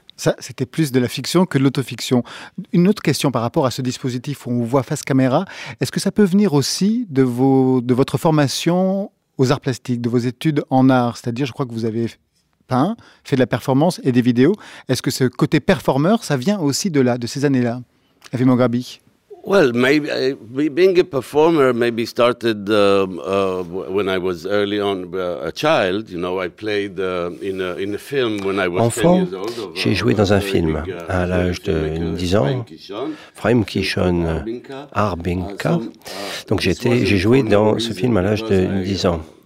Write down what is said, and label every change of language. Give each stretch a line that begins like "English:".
French: Ça, c'était plus de la fiction que de l'autofiction. Une autre question par rapport à ce dispositif où on voit face caméra, est-ce que ça peut venir aussi de votre formation aux arts plastiques, de vos études en art ? C'est-à-dire, je crois que vous avez peint, fait de la performance et des vidéos. Est-ce que ce côté performeur, ça vient aussi de là, de ces années-là ? Avi Moghrabi.
English: Well, maybe being a performer maybe started when I was early on a child. You know, I played in a film when I was 10 years old.
French: J'ai joué dans un film à l'âge de 10 ans. Frame Kishon Arbinka. Donc j'ai joué dans ce film à l'âge de 10 ans.